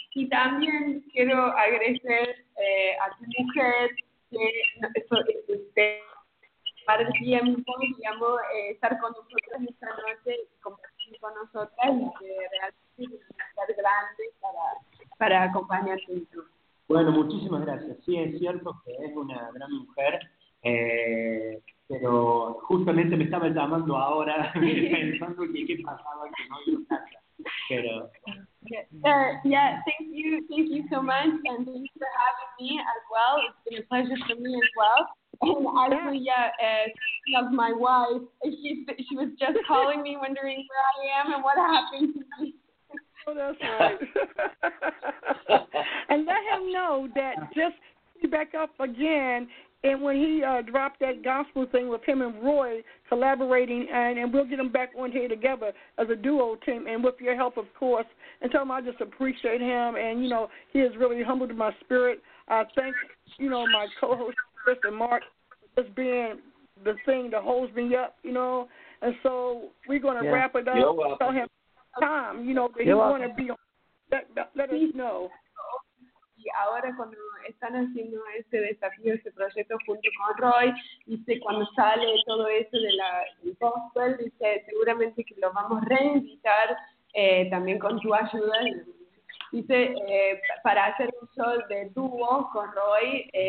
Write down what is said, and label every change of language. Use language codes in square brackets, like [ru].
[es] Y también quiero agradecer a tu mujer, que para el tiempo, digamos, estar con nosotros esta noche y compartir con nosotras, y que realmente es un placer grande para acompañarte. Bueno, muchísimas gracias. Sí, es cierto que es una gran mujer. Pero justamente me estaba llamando ahora pensando qué pasaba que no hay nada. Pero [en] thank you so much, and thank you for having me as well. It's been a pleasure for me as well, And actually, yeah, of my wife, she was just calling me wondering where I am and what happened to me. Oh, that's right. And let him know that just be back up again. And when he dropped that gospel thing with him and Roy collaborating, and we'll get him back on here together as a duo team, and with your help, of course, and tell him I just appreciate him. And, you know, he has really humbled my spirit. I thank, you know, my co-host, Chris and Mark, for just being the thing that holds me up, you know. And so we're going to wrap it up. You're welcome. Tell him time, you know, that he's going to be on. Let us know. [es] Y ahora cuando están haciendo este desafío, este proyecto junto con Roy, dice cuando sale todo eso de la gospel, dice seguramente que lo vamos a reinvitar también con tu ayuda, dice para hacer un show de dúo con Roy.